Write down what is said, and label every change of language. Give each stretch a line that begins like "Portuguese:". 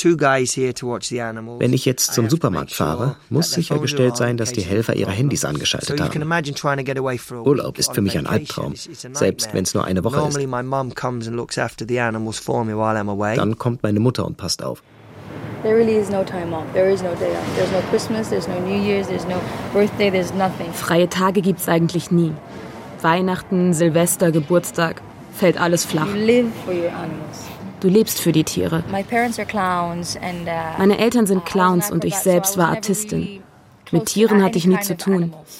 German: Wenn ich jetzt zum Supermarkt fahre, muss sichergestellt sein, dass die Helfer ihre Handys angeschaltet haben. Urlaub ist für mich ein Albtraum, selbst wenn es nur eine Woche ist. Dann kommt meine Mutter und passt auf.
English: There really is no time off. There is no day off. There's no Christmas, there's no New Year's, there's no birthday, there's nothing.
German: Freie Tage gibt's eigentlich nie. Weihnachten, Silvester, Geburtstag, fällt alles flach.
English: You live for your animals.
German: Du lebst für die Tiere.
English: My parents are clowns and
German: meine Eltern sind Clowns und ich selbst war Artistin. Mit Tieren hatte ich nie zu tun.